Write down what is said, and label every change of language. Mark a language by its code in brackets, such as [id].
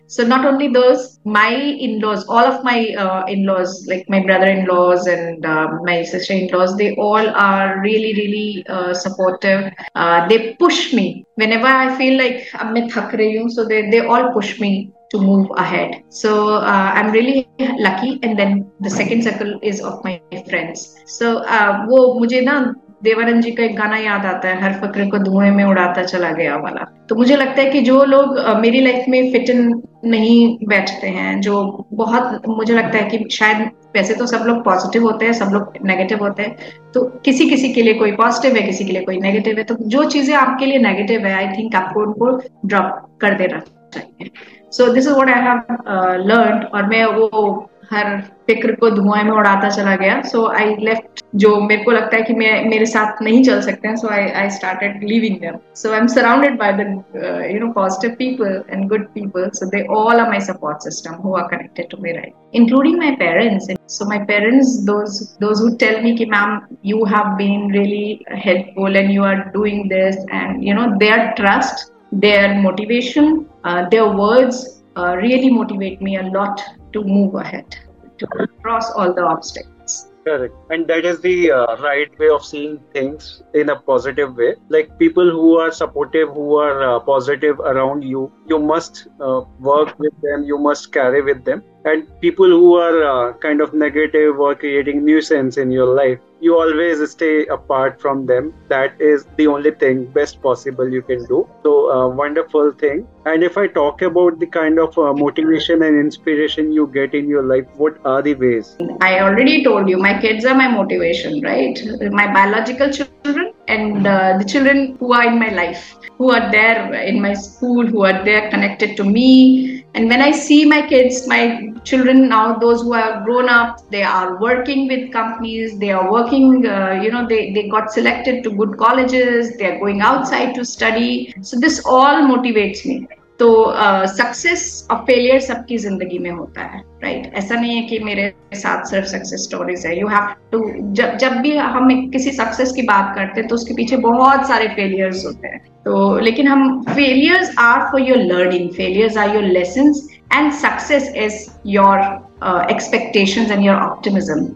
[en] So not only those, my in-laws, all of my in-laws, like my brother-in-laws and my sister-in-laws, they all are really, really supportive. They push me whenever I feel like I'm [hi] thak rahi hu, [en] so they all push me to move ahead. So I'm really lucky. And then the second circle is of my friends. [hi] So wo mujhe na Devanand जी का एक गाना याद आता है, हर फक्र को धुएं में उड़ाता चला गया वाला. तो मुझे लगता है कि जो लोग मेरी लाइफ में फिट इन नहीं बैठते हैं, जो बहुत, मुझे लगता है कि शायद, वैसे तो सब लोग पॉजिटिव होते हैं, सब लोग नेगेटिव होते हैं, तो किसी किसी के लिए कोई पॉजिटिव है, किसी के लिए कोई नेगेटिव है. तो जो चीजें आपके लिए नेगेटिव है, [en] I think [hi] आपको उनको ड्रॉप कर देना चाहिए. [en] So this is what I have learned. [hi] और मैं वो हर फिक्र को धुआं में उड़ाता चला गया. [en] so I left [hi] जो मेरे को लगता है कि मैं मेरे साथ नहीं चल सकते हैं. [en] So I started leaving them. So I am surrounded by the positive people and good people. So they all are my support system who are connected to me right, including my parents. So my parents those who tell me कि ma'am you have been really helpful and you are doing this and you know their trust, their motivation, their words really motivate me a lot to move ahead, to cross all the obstacles. Correct. And that is the right way of seeing things, in a positive way. Like people who are supportive, who are positive around you, you must work with them, you must carry with them. And people who are kind of negative or creating nuisance in your life, you always stay apart from them. That is the only thing best possible you can do. So wonderful thing. And if I talk about the kind of motivation and inspiration you get in your life, what are the ways? I already told you, my kids are my motivation, right? My biological children and the children who are in my life, who are there in my school, who are there connected to me. And when I see my kids, my children now, those who have grown up, they are working with companies, they are working, they got selected to good colleges, they are going outside to study. So this all motivates me. [hi] तो success और failure सबकी जिंदगी में होता है, right? ऐसा नहीं है कि मेरे साथ सिर्फ सक्सेस स्टोरीज है. [en] you have to, [hi] जब भी हम किसी सक्सेस की बात करते हैं तो उसके पीछे बहुत सारे फेलियर्स होते हैं. तो लेकिन हम, [en] Failures are for your learning, failures are your lessons and success is your expectation and your optimism.